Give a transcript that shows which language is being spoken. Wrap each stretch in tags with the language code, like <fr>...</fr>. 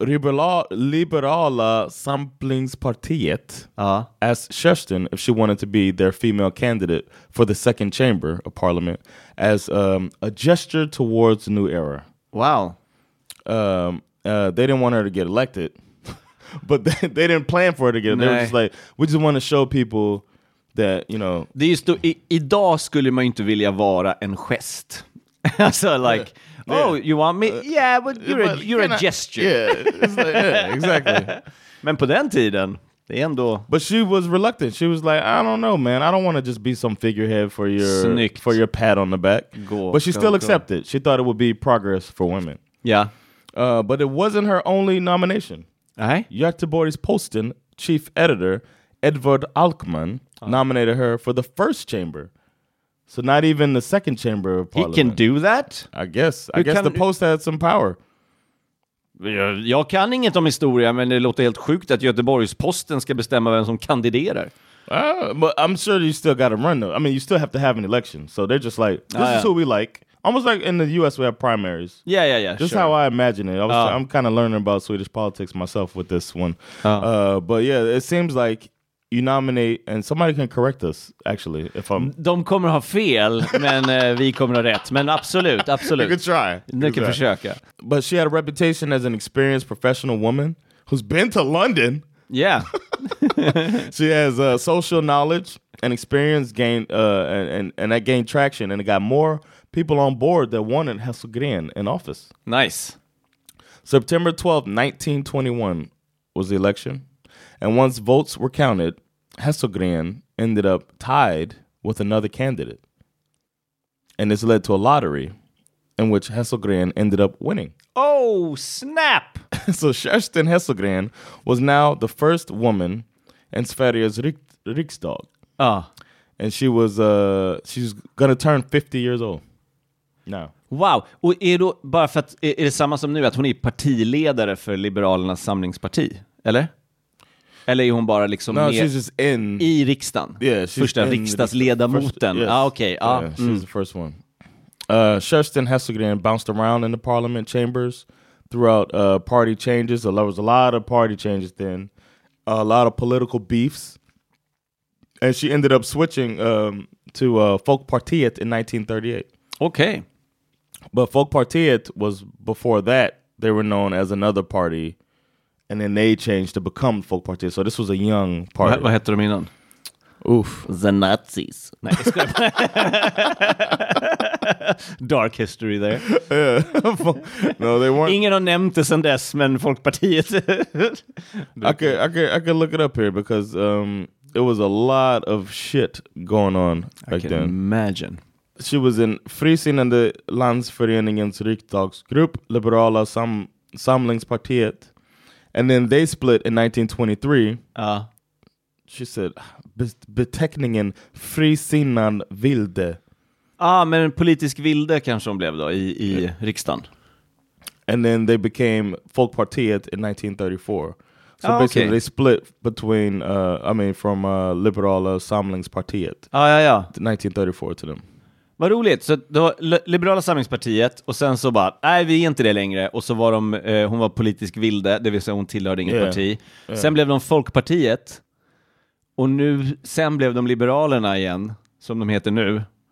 <en>Liberala Samlingspartiet asked Kerstin if she wanted to be their female candidate for the second chamber of parliament as a gesture towards the new era. Wow. They didn't want her to get elected, but they didn't plan for her to get elected. They were just like, we just want to show people that, you know...</en> <sv>Det är just då, idag skulle man inte vilja vara en gest.</sv> <en>Alltså, like... Oh, you want me? Yeah, but you're a gesture. Yeah, exactly.</en> <sv>Men på den tiden, det är ändå...</sv> <en>But she was reluctant. She was like, I don't know, man. I don't want to just be some figurehead for your</en> <sv>Snyggt.</sv> <en>For your pat on the back. But she still accepted. She thought it would be progress for women. Yeah. But it wasn't her only nomination. Göteborgs Posten, chief editor, Edvard Alkman, nominated her for the first chamber. So not even the second chamber of parliament. He can do that? I guess. I guess the post had some power.</en> <sv>Jag kan inget om historia, men det låter helt sjukt att Göteborgs Posten ska bestämma vem som kandiderar.</sv> <en>But I'm sure you still got to run, though. I mean, you still have to have an election. So they're just like, this is who we like. Almost like in the U.S. we have primaries. Yeah. Just sure. How I imagine it. I'm kind of learning about Swedish politics myself with this one. But yeah, it seems like... You nominate, and somebody can correct us, actually, if I'm...</en> <sv>De kommer ha fel, men vi kommer ha rätt. Men absolut, absolut.</sv> <en>You can try.</en> <sv>Ni kan försöka.</sv> <en>But she had a reputation as an experienced professional woman who's been to London. Yeah. She has social knowledge and experience gained, and that gained traction, and it got more people on board that wanted Hesselgren in office. Nice. September 12th, 1921 was the election. And once votes were counted, Hesselgren ended up tied with another candidate. And this led to a lottery in which Hesselgren ended up winning. Oh, snap! So Kerstin Hesselgren was now the first woman in Sveriges riksdag. Ah. And she's going to turn 50 years old now.</en> <sv>Wow, och är då bara för att, är det samma som nu att hon är partiledare för Liberalernas samlingsparti, eller? Eller är hon bara liksom med in, i riksdagen?</sv> <en>Yeah,</en> <sv>första riksdagsledamoten. Ja, okej.</sv> <en>Yeah, she's the first one. Kerstin Hesselgren bounced around in the parliament chambers throughout party changes. There was a lot of party changes then. A lot of political beefs. And she ended up switching to Folkpartiet in 1938. Okay. But Folkpartiet was before that, they were known as another party. And then they changed to become Folkpartiet. So this was a young party.</en> <sv>Vad hette de innan? Oof.</sv> <en>The Nazis. Nej, dark history there. No, they weren't.</en> <sv>Ingen har nämnt det sedan dess, men Folkpartiet.</sv> <en>I could look it up here because it was a lot of shit going on back then. I can imagine. She was in Frisin and the Landsföreningens Riksdagsgrupp, Liberala Samlingspartiet. And then they split in 1923. She said,</en> <sv>beteckningen Frisinnan Vilde. Ah, men politisk vilde kanske hon blev då i riksdagen.</sv> <en>And then they became Folkpartiet in 1934. So basically they split between, from Liberala Samlingspartiet.</en> <sv>Ja.</sv> <en>1934 to them.</en> <sv>Vad roligt. Så då Liberala Samlingspartiet och sen så bara, nej vi är inte det längre. Och så var de, hon var politisk vilde, det vill säga hon tillhörde inget parti. Yeah. Sen blev de Folkpartiet. Och nu, sen blev de Liberalerna igen, som de heter nu.</sv>